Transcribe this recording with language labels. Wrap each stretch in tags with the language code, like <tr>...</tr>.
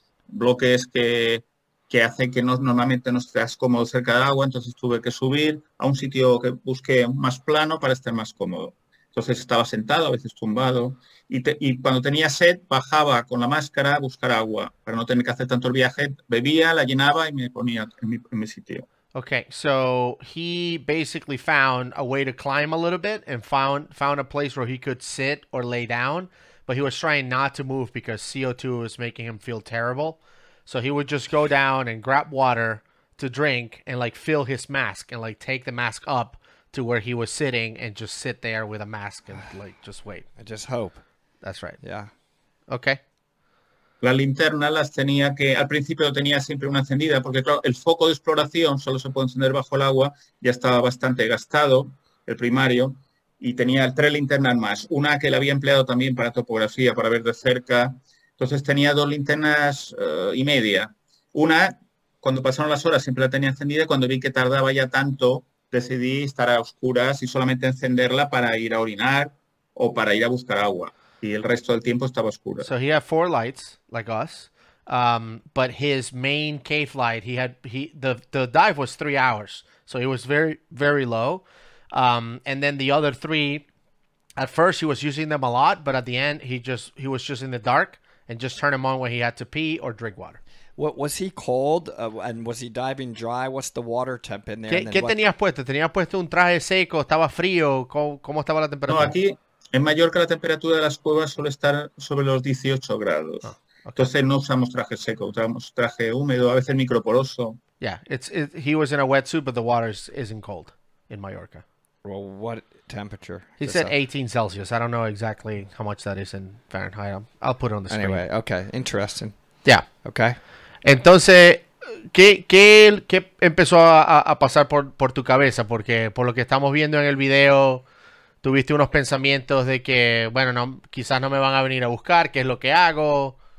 <es>Bloques que hacen que normalmente no estés cómodo cerca del agua. Entonces, tuve que subir a un sitio que busqué más plano para estar más cómodo. Entonces estaba sentado, a veces tumbado, y cuando tenía sed, bajaba con la máscara a buscar agua, para no tener que hacer tanto el viaje, bebía, la llenaba y me ponía en mi sitio.</es> <en>Okay, so he basically found a way to climb a little bit and found a place where he could sit or lay down, but he was trying not to move because CO2 was making him feel terrible. So he would just go down and grab water to drink and, like, fill his mask and, like, take the mask up to where he was sitting and just sit there with a mask and, like, just wait. I just hope. That's right. Yeah. Okay.</en> <es>La linterna las tenía que, al principio tenía siempre una encendida, porque claro, el foco de exploración solo se puede encender bajo el agua, ya estaba bastante gastado, el primario, y tenía 3 linternas más, una que la había empleado también para topografía, para ver de cerca. Entonces tenía 2 linternas y media. Una, cuando pasaron las horas, siempre la tenía encendida, y cuando vi que tardaba ya tanto, decidí estar a oscuras y solamente encenderla para ir a orinar o para ir a buscar agua. Y el resto del tiempo estaba oscura.</es> <en>So he had 4 lights, like us. But his main cave light, the dive was 3 hours. So it was very, very low. And then the other 3, at first he was using them a lot, but at the end he was just in the dark and just turn them on when he had to pee or drink water. What was he cold and was he diving dry? What's the water temp in there?</en> <es>¿Qué tenías puesto? ¿Tenías puesto un traje seco? ¿Estaba frío? ¿Cómo estaba la temperatura? No, aquí en Mallorca la temperatura de las cuevas suele estar sobre los 18 grados.</es> <en>Oh, okay.</en> <es>Entonces no usamos traje seco, usamos traje húmedo, a veces microporoso.</es> <en>Yeah, he was in a wetsuit, but the water isn't cold in Mallorca. Well, what temperature? He said 18 Celsius. I don't know exactly how much that is in Fahrenheit. I'll put it on the screen. Anyway, okay, interesting. Yeah. Okay.</en> <es>Entonces, ¿qué empezó a pasar por tu cabeza? Porque por lo que estamos viendo en el video, tuviste unos pensamientos de que, bueno, no, quizás no me van a venir a buscar, ¿qué es lo que hago?</es>